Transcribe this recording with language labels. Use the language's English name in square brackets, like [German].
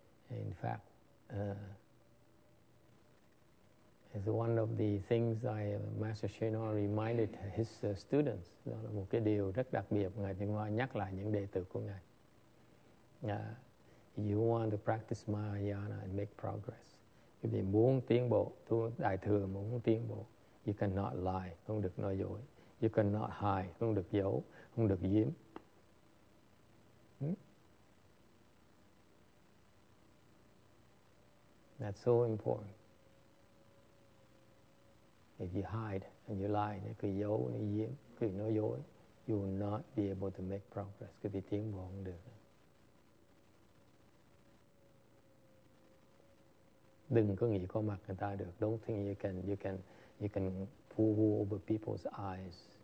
[English] In fact, it's one of the things I Master Shenhua reminded his students. [Vietnamese] Đó là một cái điều rất đặc biệt Ngài Tịnh Hóa nhắc lại những đệ tử của Ngài. [English] You want to practice Mahayana and make progress. [Vietnamese] Quý vị muốn tiến bộ, Đại Thừa muốn tiến bộ. [English] You cannot lie, [Vietnamese] không được nói dối. [English] You cannot hide, [Vietnamese] không được giấu, không được giếm. [English] That's so important. If you hide and you lie, [Vietnamese] nếu cứ giấu, nếu giếm, cứ nói dối, [English] you will not be able to make progress. [Vietnamese] Quý vị tiến bộ không được. đừng có nghĩ có mặt người ta được. [English] Don't think you can pull over people's eyes.